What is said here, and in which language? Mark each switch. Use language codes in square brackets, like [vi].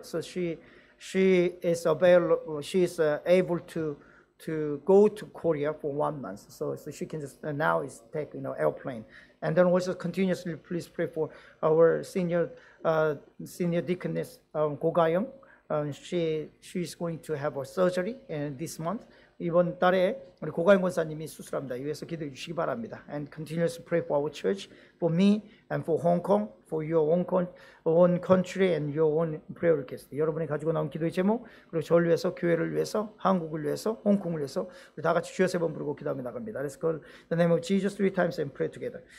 [en] So she is able to go to Korea for 1 month, so she can just now is take you know airplane, and then also continuously please pray for our senior deaconess Go Ga-young. She is going to have a surgery in this month. [ko] 이번 달에 우리 고가영 권사님이 수술합니다. 위해서 기도해 주시기 바랍니다. [en] And continuously pray for our church, for me, and for Hong Kong, for your own country and your own prayer request. [ko] 여러분이 가지고 나온 기도의 제목, 그리고 저를 위해서, 교회를 위해서, 한국을 위해서, 홍콩을 위해서 우리 다 같이 주여 세 번 부르고 기도하며 나갑니다. [en] Let's call the name of Jesus three times and pray together.